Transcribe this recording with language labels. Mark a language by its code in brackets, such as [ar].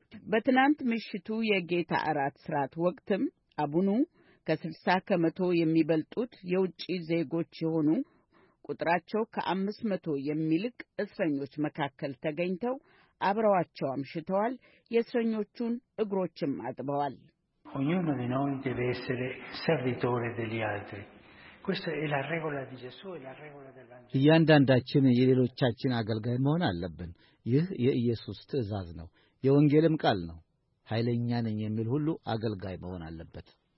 [am] በትናንት ምሽቱ የጌታ አራት ሥርዓት ወቅትም አቡኑ ከ60 ከመቶ የሚበልጡት የውጪ ዜጎች የሆኑ ቁጥራቸው ከ500 የሚልቅ እስረኞች መካከል ተገኝተው አብረዋቸው አምሽተዋል። የእስረኞቹን እግሮችም አጥበዋል። [it] Ognuno di noi deve essere servitore degli altri. Questa è la regola di Gesù e la regola del Vangelo. [am] እያንዳንዳችን የሌሎቻችን አገልጋይ መሆን አለብን። ይህ የኢየሱስ ትእዛዝ ነው። የወንጌልም ቃል ነው። ኃይለኛ ነኝ የሚል ሁሉ አገልጋይ መሆን አለበት።